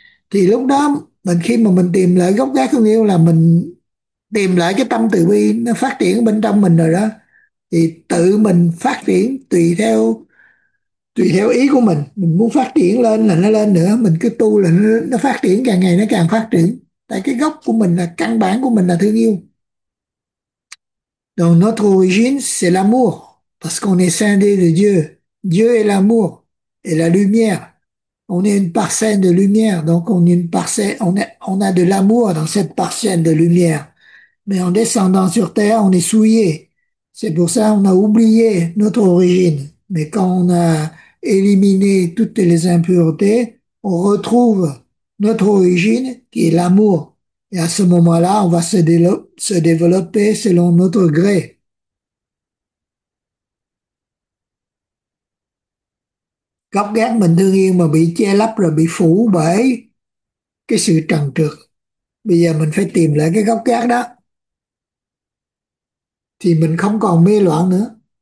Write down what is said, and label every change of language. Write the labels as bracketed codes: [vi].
[vi] Thì lúc đó mình, khi mà mình tìm lại gốc gác thương yêu, là mình tìm lại cái tâm từ bi nó phát triển bên trong mình rồi đó. Thì tự mình phát triển tùy theo ý của mình muốn phát triển lên là nó lên nữa, mình cứ tu là nó phát triển, càng ngày nó càng phát triển. Tại cái gốc của mình, là căn bản của mình là thương yêu. [fr] Donc notre origine c'est l'amour parce qu'on est scindé de Dieu. Dieu est l'amour et la lumière. On est une parcelle de lumière, donc on est une parcelle, on a de l'amour dans cette parcelle de lumière. Mais en descendant sur terre, on est souillé. C'est pour ça qu'on a oublié notre origine. Mais quand on a éliminé toutes les impuretés, on retrouve notre origine qui est l'amour. Et à ce moment-là, on va se développer selon notre gré. [vi] Gốc gác mình thương yêu mà bị che lấp rồi, bị phủ bởi cái sự trần trược. Bây giờ mình phải tìm lại cái gốc gác đó. Thì mình không còn mê loạn nữa.